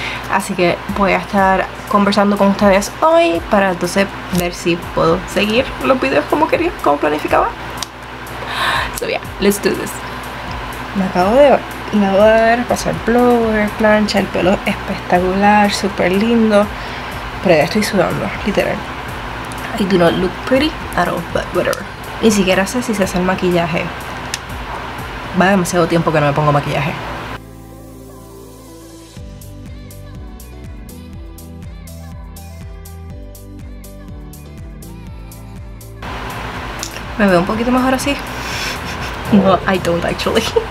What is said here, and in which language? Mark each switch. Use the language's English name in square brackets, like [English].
[Spanish] Así que voy a estar conversando con ustedes hoy para entonces ver si puedo seguir los videos como quería, como planificaba. [English] So yeah, let's do this. [Spanish] Me acabo de lavar, pasar el blower, plancha, el pelo espectacular, súper lindo. Pero ya estoy sudando, literal. [English] I do not look pretty at all, but whatever. [Spanish] Ni siquiera sé si se hace el maquillaje. Va demasiado tiempo que no me pongo maquillaje. ¿Me veo un poquito mejor así? No, [English] I don't actually.